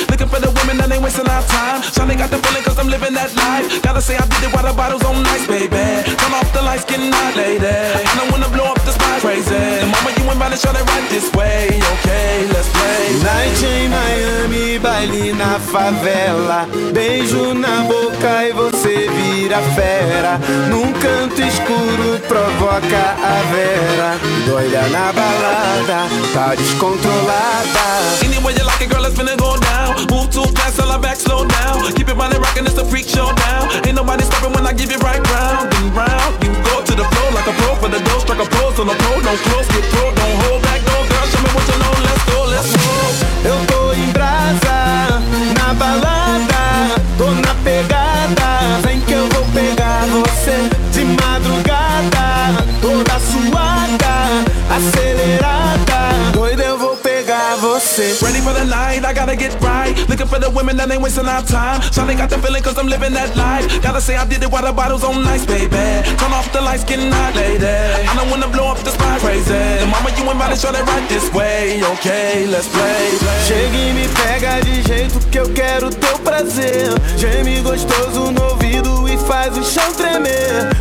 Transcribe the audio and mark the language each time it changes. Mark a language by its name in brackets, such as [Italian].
[English] Looking for the women and they wasting our time. Shawty got the feeling cause I'm living that life. Gotta say I did it while the bottles on ice, baby. Turn off the lights, get night, lady. I don't wanna blow up the spot, crazy. The moment you invited, shawty right this way. Okay, let's play. Night in Miami, [Portuguese] baile na favela. Beijo na boca e você vira fera. Num canto escuro provoca a Vera. Doida na balada, tá descontrolada. [English] Anyway, you like it, girl. It's finna go down. Move too fast, all I back, slow down. Keep it running, rockin', it's a freak showdown. Ain't nobody stopping when I give it right round and round. You go to the floor like a pro for the dough. Strike a pose on the pole, no close, get pro. Don't hold back, no girl, show me what you know. Let's go, let's roll. [Portuguese] Eu tô em brasa, na balada. Tô na pegada, vem que eu vou pegar você. De madrugada, toda suada, acelerada. Doida, eu vou você. [English] Ready for the night, I gotta get right. Looking for the women that ain't wasting our time. Shawty got the feeling cause I'm living that life. Gotta say I did it while the bottles on ice, baby. Turn off the lights, get night, lady. I don't wanna blow up the spot, crazy. The moment you invited, shawty right this way. Okay, let's play, play. [Portuguese] Chega e me pega de jeito que eu quero teu prazer. Geme gostoso no ouvido e faz o chão tremer.